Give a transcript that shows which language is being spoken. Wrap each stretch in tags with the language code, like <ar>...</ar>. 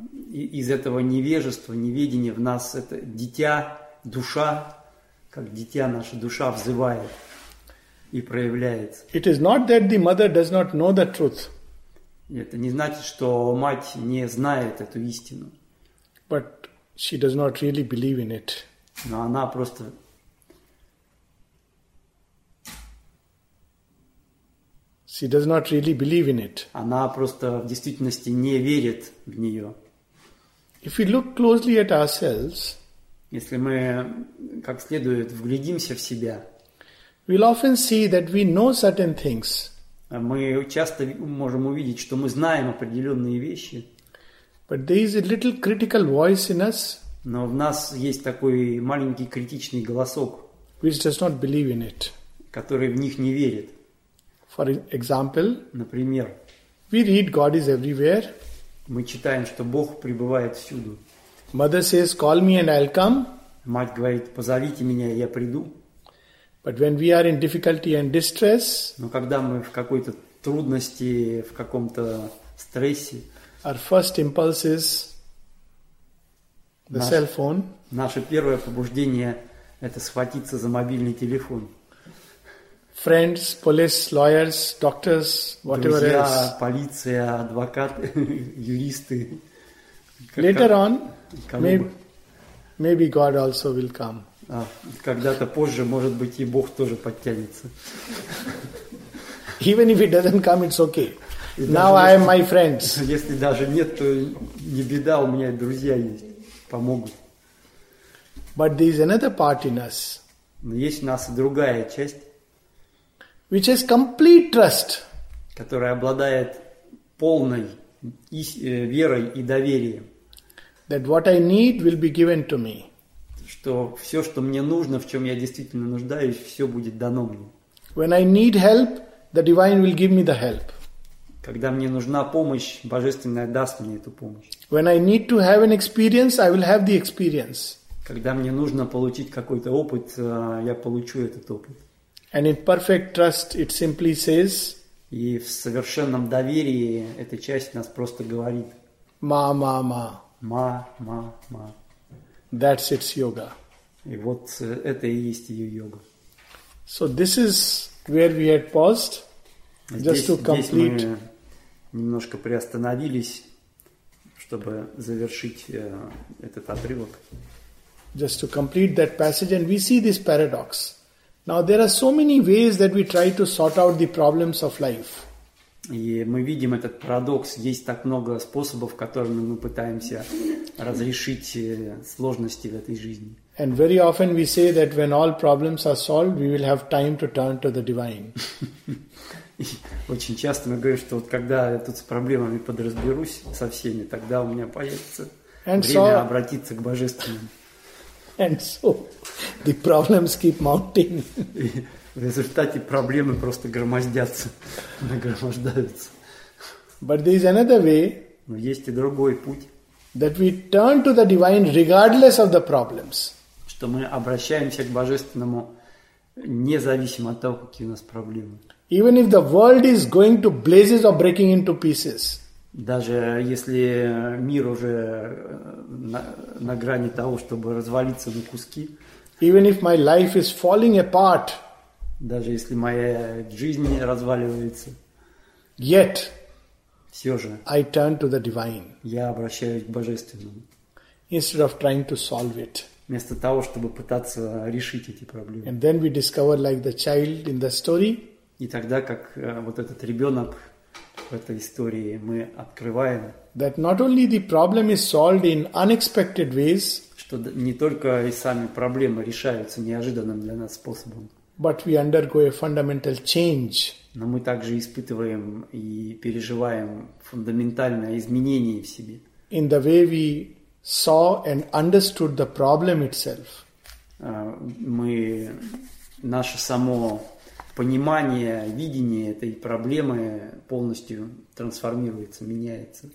<ru>Из этого невежества, неведения в нас это дитя, душа, как дитя наша душа взывает и проявляется.</ru> <en>It is not that the mother does not know the truth.</en> <ru>Это не значит, что мать не знает эту истину.</ru> <en>But she does not really believe in it.</en> <ru>Но она просто</ru> <en>she does not really believe in it.</en> <ru>Она просто в действительности не верит в нее.</ru> <en>If we look closely at ourselves,</en> <ru>если мы как следует вглядимся в себя,</ru> <en>we'll often see that we know certain things.</en> <ru>Мы часто можем увидеть, что мы знаем определенные вещи.</ru> <en>But there is a little critical voice in us.</en> <ru>Но в нас есть такой маленький критичный голосок,</ru> <en>which does not believe in it.</en> <ru>Который в них не верит.</ru> <en>For example,</en> <ru>например,</ru> <en>we read God is everywhere.</en> <ru>Мы читаем, что Бог пребывает всюду.</ru> <en>Mother says, call me and I'll come.</en> <ru>Мать говорит, позовите меня, я приду.</ru> <en>But when we are in difficulty and distress,</en> <ru>но когда мы в какой-то трудности, в каком-то стрессе,</ru> <en>our first impulse is the cell phone.</en> <ru>Наше первое побуждение – это схватиться за мобильный телефон.</ru> <en>Friends, police, lawyers, doctors, whatever</en> <ru>друзья,</ru> <en>else.</en> <ru>Друзья, полиция, адвокаты, юристы.</ru> <en>Later on, maybe God also will come.</en> <ru>Когда-то позже, может быть, и Бог тоже подтянется.</ru> <en>Even if he doesn't come, it's okay. Now I am my friends.</en> <ru>Если даже нет, то не беда, у меня друзья есть, помогут.</ru> <en>But there is another part in us.</en> <ru>Но есть у нас и другая часть.</ru> <en>Which has complete trust.</en> <ru>Которая обладает полной верой и доверием.</ru> <en>That what I need will be given to me.</en> <ru>Что все, что мне нужно, в чем я действительно нуждаюсь, все будет дано мне.</ru> <en>When I need help, the divine will give me the help.</en> <ru>Когда мне нужна помощь, Божественная даст мне эту помощь.</ru> <en>When I need to have an experience, I will have the experience.</en> <ru>Когда мне нужно получить какой-то опыт, я получу этот опыт.</ru> <en>And in perfect trust, it simply says.</en> <ru>И в совершенном доверии эта часть нас просто говорит. Ma, ma, ma. Ma, ma, ma.</ru> <en>That's its yoga.</en> <ru>И вот это и есть ее йога.</ru> <en>So this is where we had paused. Just to complete.</en> <ru>Здесь мы немножко приостановились, чтобы завершить этот отрывок.</ru> <en>Just to complete that passage, and we see this paradox. Now there are so many ways that we try to sort out the problems of life.</en> <ru>И мы видим этот парадокс. Есть так много способов, которыми мы пытаемся разрешить сложности в этой жизни.</ru> <en>And very often we say that when all problems are solved, we will have time to turn to the divine.</en> <ru>Очень часто мы говорим, что вот когда я тут с проблемами подразберусь со всеми, тогда у меня появится</ru> <en>and</en> <ru>время обратиться к Божественному.</ru> <en>And so the problems keep mounting.</en> <ru>В результате проблемы просто громоздятся, нагромождаются.</ru> <en>But there is another way.</en> <ru>Но есть и другой путь.</ru> <en>That we turn to the divine regardless of the problems.</en> <ru>Что мы обращаемся к Божественному независимо от того, какие у нас проблемы.</ru> <en>Even if the world is going to blazes or breaking into pieces.</en> <ru>Даже если мир уже на грани того, чтобы развалиться на куски.</ru> <en>Even if my life is falling apart,</en> <ru>даже если моя жизнь разваливается,</ru> <en>yet,</en> <ru>все же,</ru> <en>I turn to the divine.</en> <ru>Я обращаюсь к Божественному.</ru> <en>Instead of trying to solve it.</en> <ru>Вместо того, чтобы пытаться решить эти проблемы.</ru> <en>And then we discover, like the child in the story.</en> <ru>И тогда, как вот этот ребенок в этой истории, мы открываем,</ru> <en>that not only the problem is solved in unexpected ways,</en> <ru>что не только и сами проблемы решаются неожиданным для нас способом,</ru> <en>but we undergo a fundamental change.</en> <ru>Но мы также испытываем и переживаем фундаментальное изменение в себе.</ru> <en>In the way we saw and understood the problem itself.</en> <ru>Мы, наше само понимание, видение этой проблемы полностью трансформируется, меняется.</ru>